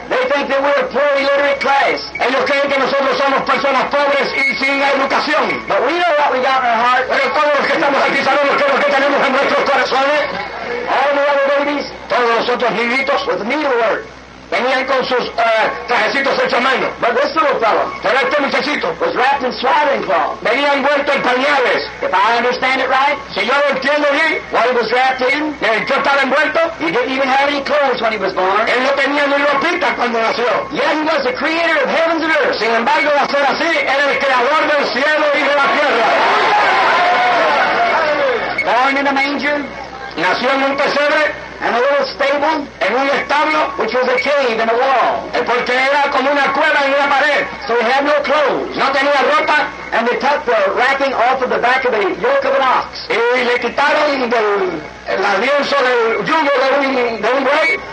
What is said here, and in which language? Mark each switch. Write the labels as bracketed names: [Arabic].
[English] They think that we're a poor illiterate class. [Spanish] Ellos creen que nosotros somos personas pobres y sin educación. [English] But we know what we got in our heart. [Spanish] Pero todos los que estamos aquí sabemos que lo que tenemos en nuestros corazones. [English] All the other babies. [Spanish] Todos los otros niñitos. [English] With needlework. [Spanish] Venían con sus trajecitos hechos a mano. [English] But this little fellow. [Spanish] Pero este muchachito. [English] Was wrapped in swaddling cloth. [Spanish] Venía envuelto en pañales. [English] If I understand it right. [Spanish] Si yo lo entiendo bien. [English] What he was wrapped in. [Spanish] Yo estaba envuelto. [English] He didn't even have any clothes when he was born. [Spanish] Él no tenía ni ropita cuando nació. [English] Yet he was the creator of heavens and earth. [Spanish] Sin embargo, va a ser así. Era el creador del cielo y de la tierra. [English] Born in a manger. [Spanish] Nació en un pesebre. [English] And a little stable, [Spanish] en un establo, [English] which was a cave in a wall. [Spanish] Porque era como una cueva en una pared. [English] So he had no clothes. [Spanish] No tenía ropa. [English] And they took the wrapping off of the back of the yoke of an ox. [Spanish] Y le quitaron el lienzo del yugo de un buey.